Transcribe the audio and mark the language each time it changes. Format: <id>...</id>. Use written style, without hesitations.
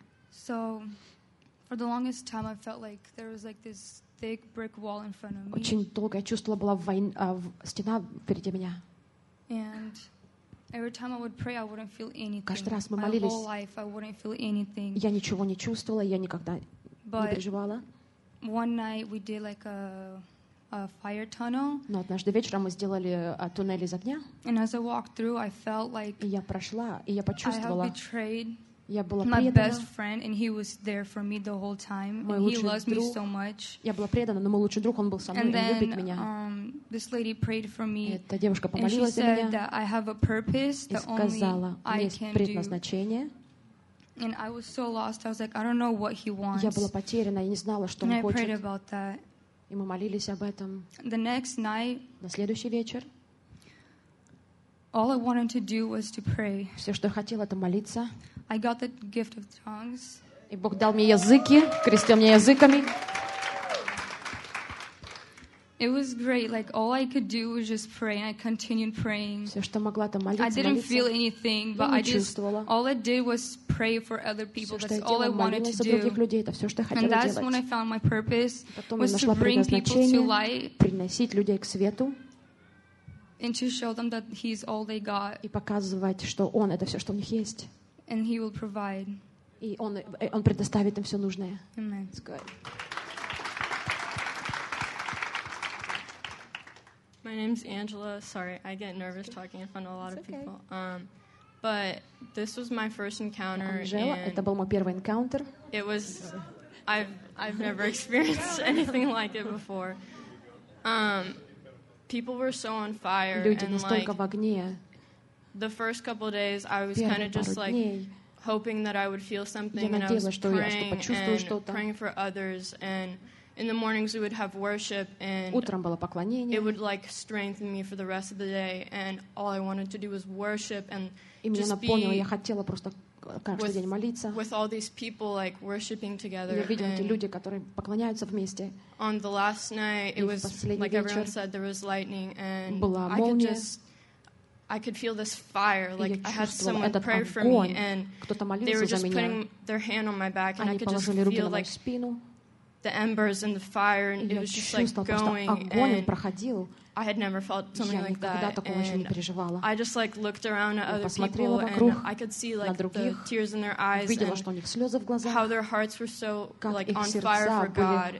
<en>So, for the longest time, I felt like there was like this thick brick wall in front of me.</en> <ru>Очень долго я чувствовала, была стена впереди меня.</ru> <en>And every time I would pray, I wouldn't feel anything.</en> <ru>Каждый раз мы молились.</ru> <en>My whole life, I wouldn't feel anything.</en> <ru>Я ничего не чувствовала, я никогда не переживала.</ru> <en>One night we did like a fire tunnel.</en> <ru>Но однажды вечером мы сделали туннель из огня.</ru> <en>And as I walked through, I felt like</en> <ru>я прошла, и я почувствовала.</ru> <en>I had betrayed my best friend, and he was there for me the whole time. And he loved me so much.</en> <ru>Я была предана, но мой лучший друг, он был со мной,</ru> <en>and</en> <ru>любит меня.</ru> <en>This lady prayed for me.</en> <ru>Эта девушка помолилась за меня.</ru> <en>And she said that I have a purpose that only I can do.</en> <ru>И сказала, есть предназначение.</ru> <en>And I was so lost. I was like, I don't know what he wants.</en> <ru>Я была потеряна, я не знала, что он хочет.</ru> <en>And I prayed about that.</en> <ru>И мы молились об этом.</ru> <en>The next night.</en> <ru>На следующий вечер.</ru> <en>All I wanted to do was to pray.</en> <ru>Все, что я хотела, это молиться.</ru> <en>I got the gift of tongues.</en> <ru>И Бог дал мне языки, крестил меня языками.</ru> <en>It was great. Like all I could do was just pray, and I continued praying.</en> <ru>Все, что могла, это молиться.</ru> <en>I didn't feel anything, but I just all I did was pray for other people.</en> <ru>Все,</ru> <en>that's all I wanted to do.</en> <ru>Людей, это все, что я хотела</ru> <en>and that's</en> <ru>делать.</ru> <en>When I found my purpose</en> <ru>потом</ru> <en>was to bring people to light.</en> <ru>Приносить людей к свету.</ru> <en>And to show them that he's all they got.</en> <ru>И показывать, что он это все, что у них есть.</ru> <en>And he will provide.</en> <ru>И он предоставит им все нужное.</ru> <en>Amen. It's good. My name's Angela. Sorry, I get nervous talking in front of a lot of people. But this was my first encounter.</en> <ru>Angela, это был мой первый encounter.</ru> <en>It was I've never experienced anything like it before. People were so on fire.</en> <ru>Люди</ru> <en>and</en> <ru>настолько</ru> <en>like,</en> <ru>в огне.</ru> <en>The first couple of days, I was kind of just like hoping that I would feel something, and I was praying and praying for others. And in the mornings, we would have worship, and</en> <ru>утром было поклонение.</ru> <en>It would like strengthen me for the rest of the day. And all I wanted to do was worship and just be.</en> <ru>Я хотела просто каждый день молиться.</ru> <en>With all these people like worshiping together.</en> <ru>Я видела эти люди, которые поклоняются вместе.</ru> <en>On the last night, it was like everyone said there was lightning, and</en> <ru>была молния.</ru> <en>I could feel this fire, like I had someone pray for me, and they were just putting their hand on my back, and I could just feel like the embers and the fire, and it was just like going, and I had never felt something like that, and I just like looked around at other people, and I could see like the tears in their eyes, and how their hearts were so like on fire for God,</en>